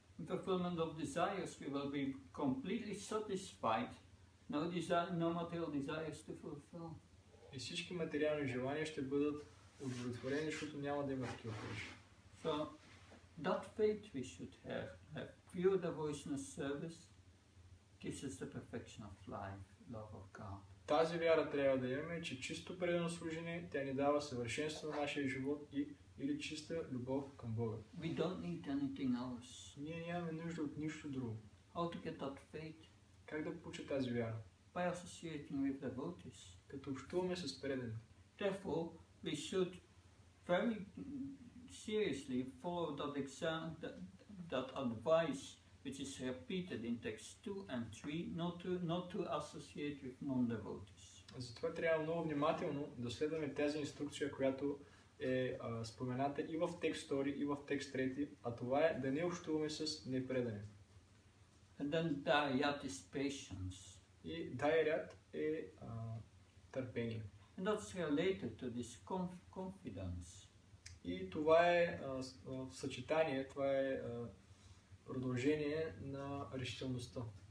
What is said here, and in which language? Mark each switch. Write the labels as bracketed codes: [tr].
[en] In fulfillment of desires, we will be completely satisfied. No material desires to fulfill. [bg] И всички материални желания ще бъдат удовлетворени, защото няма да има такива пречки. [en] So, that faith we should have pure devotional service, gives us the perfection of life, love of God. [bg] Тази вяра трябва да имаме, че чисто предано служение, тя ни дава съвършенство на нашия живот и или чиста любов към Бога. [en] We don't need anything else. [bg] Ние нямаме нужда от нищо друго. [en] How to get that faith? [bg] Как да получа тази вяра? [en] By associating with devotees. [bg] Като общуваме с преданите. [en] Therefore, we should very seriously follow that example, that advice which is repeated in text 2 and 3, not to associate with non-devotees. [bg] Затова трябва много внимателно да следваме тази инструкция, която е спомената и в текст 2, и в текст 3, а това е да не общуваме с непредани. [en] And then dhyayat is patience. [bg] И dhyayat е търпение. [en] And that's related to this confidence. [bg] И това е в съчетание, това е продължение на решителността.